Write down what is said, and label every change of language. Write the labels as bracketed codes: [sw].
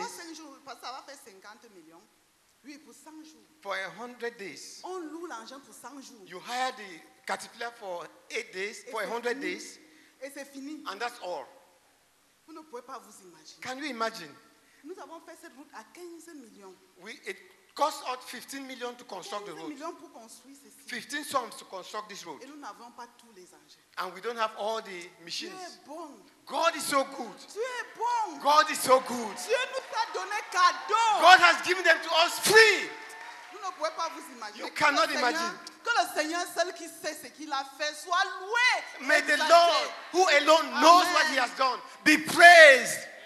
[fr] Non, pas 100 jours, parce que ça va faire 50 millions. Oui, pour 100 jours. [en] For 100 days. [fr] On loue l'argent pour 100 jours. [en] You hire the caterpillar for 8 days, for 100 days. [fr] Et c'est fini. [en] And that's all. [fr] Vous ne pouvez pas vous imaginer. [en] Can you imagine? [fr] Nous avons fait cette route à 15 millions. Oui, [en] it cost us 15 million to construct the road. [fr] 15 pour construire ceci. [en] 15 sums to construct this road. [fr] Et nous n'avons pas tous les engins. [en] And we don't have all the machines. [fr] Dieu est bon. [en] God is so good. [fr] Dieu est bon. [en] God is so good. [fr] Dieu nous a donné cadeau. [en] God has given them to us free. [fr] Vous ne pouvez pas vous imaginer. [en] You cannot imagine. [fr] Que le Seigneur seul qui sait ce qu'il a fait soit loué. [en] May the Lord, who alone knows what he has done, be praised.